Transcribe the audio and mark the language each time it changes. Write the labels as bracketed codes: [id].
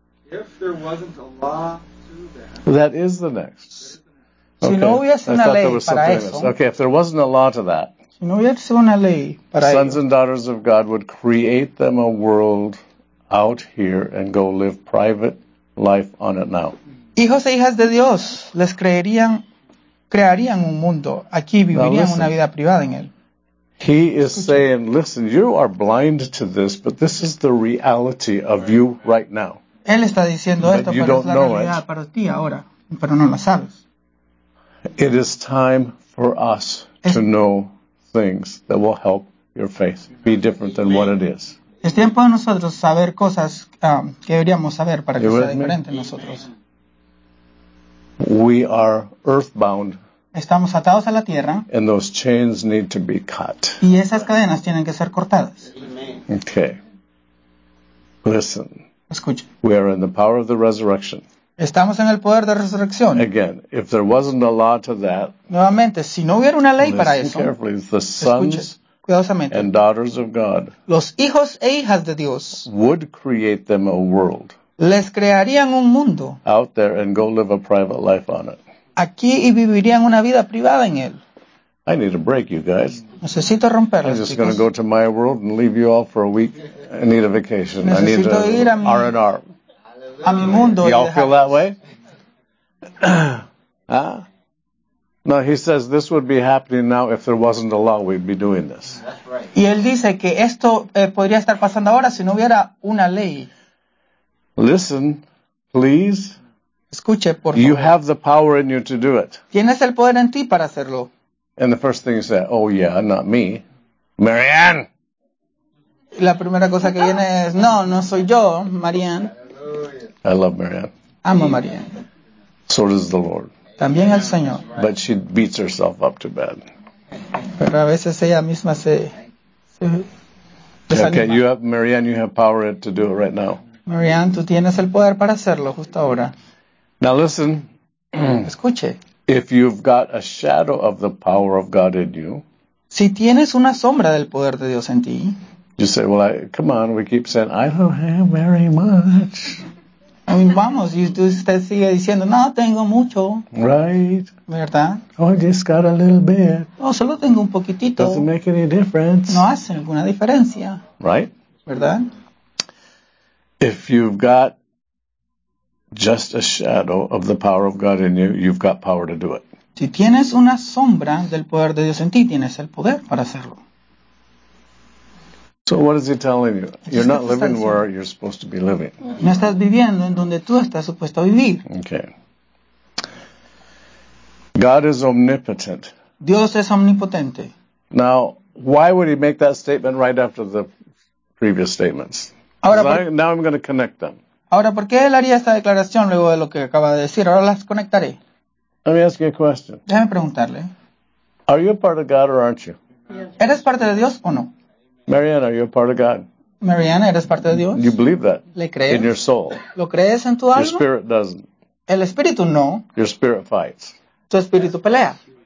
[en] If there wasn't a law to that. That is the next. Okay, if there wasn't a law to that, sons and daughters of God would create them a world out here and go live private life on it now. [es] Hijos e hijas de Dios les crearían un mundo aquí, vivirían una vida privada en él. [en] He is saying, listen, you are blind to this, but this is the reality of you right now. [es] Él está diciendo esto, pero es la realidad para ti ahora, pero no lo sabes. [en] It is time for us to know things that will help your faith be different than what it is. [es] Es tiempo de nosotros saber cosas que deberíamos saber para que sea diferente en nosotros. [en] We are earthbound. [es] Estamos atados a la tierra. [en] And those chains need to be cut. [es] Y esas cadenas tienen que ser cortadas. [en] Okay. Listen. [es] Escucha. [en] We are in the power of the resurrection. [es] Estamos en el poder de resurrección. [en] Again, if there wasn't a law to that, [es] nuevamente, si no hubiera una ley para eso, [en] carefully, the sons [es] cuidadosamente, [en] and daughters of God, [es] los hijos e hijas de Dios, [en] would create them a world, [es] les crearían un mundo, [en] out there and go live a private life on it. [es] Aquí y vivirían una vida privada en él. [en] I need a break, you guys. [es] Necesito romperlos, [en] I'm just going to go to my world and leave you all for a week. I need a vacation. [es] Necesito [en] I need a R&R. [es] A mi mundo. [en] Y'all feel that way? No, he says this would be happening now if there wasn't a law, we'd be doing this. [es] Y él dice que esto podría estar pasando ahora si no hubiera una ley. [en] Listen, please. [es] Escuche, por favor. [en] You have the power in you to do it. [es] Tienes el poder en ti para hacerlo. [en] And the first thing he said, oh yeah, not me. Marianne! [es] La primera cosa que viene es, no, no soy yo, Marianne. [en] I love Marianne. [es] Amo a Marianne. [en] So does the Lord. [es] También el Señor. [en] But she beats herself up to bed. [es] Pero a veces ella misma se desanima. [en] Okay, you have Marianne. You have power to do it right now. [es] Marianne, tú tienes el poder para hacerlo justo ahora. [en] Now listen. [es] Escuche. [en] If you've got a shadow of the power of God in you. [es] Si tienes una sombra del poder de Dios en ti. [en] You say, well, come on. We keep saying, I don't have very much. I mean, [es] vamos, y usted sigue diciendo, no, tengo mucho. [en] Right. [es] ¿Verdad? [en] Oh, I just got a little bit. [es] Oh, solo tengo un poquitito. [en] Doesn't make any difference. [es] No hace ninguna diferencia. [en] Right. [es] ¿Verdad? [en] If you've got just a shadow of the power of God in you, you've got power to do it. [es] Si tienes una sombra del poder de Dios en ti, tienes el poder para hacerlo. [en] So what is he telling you? You're not living where you're supposed to be living. [es] No estás viviendo en donde tú estás supuesto a vivir. [en] Okay. God is omnipotent. [es] Dios es omnipotente. [en] Now, why would he make that statement right after the previous statements? Now I'm going to connect them. [es] Ahora, ¿por qué él haría esta declaración luego de lo que acaba de decir? Ahora las conectaré. [en] Let me ask you a question. [es] Déjame preguntarle. [en] Are you a part of God or aren't you? Yes. [es] ¿Eres parte de Dios o no? [en] Marianne, are you a part of God? [es] Marianne, ¿eres parte de Dios? [en] You believe that. [es] ¿Le crees? [en] In your soul. [es] ¿Lo crees en tu [en] your [es] alma? [en] Your spirit doesn't. [es] El espíritu no. [en] Your spirit fights. [es] Tu espíritu pelea.